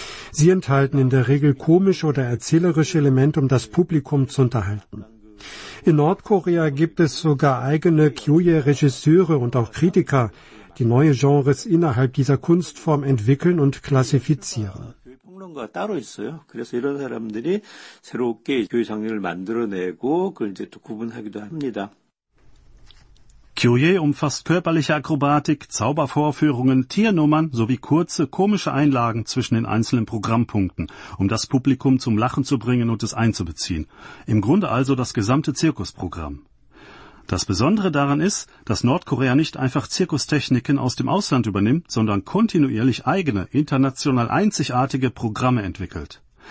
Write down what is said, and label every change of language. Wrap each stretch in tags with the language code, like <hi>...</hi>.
<de>Sie enthalten in der Regel komische oder erzählerische Elemente, um das Publikum zu unterhalten. In Nordkorea gibt es sogar eigene Gyoye-Regisseure und auch Kritiker, die neue Genres innerhalb dieser Kunstform entwickeln und klassifizieren.</de> <ko>그런 거 따로 있어요. 그래서 이런 사람들이 새롭게 교회 장르를 만들어내고 그걸 이제 또 구분하기도 합니다.</ko> <de>Gyoye umfasst körperliche Akrobatik, Zaubervorführungen, Tiernummern sowie kurze, komische Einlagen zwischen den einzelnen Programmpunkten, um das Publikum zum Lachen zu bringen und es einzubeziehen. Im Grunde also das gesamte Zirkusprogramm. Das Besondere daran ist, dass Nordkorea nicht einfach Zirkustechniken aus dem Ausland übernimmt, sondern kontinuierlich eigene, international einzigartige Programme entwickelt.</de>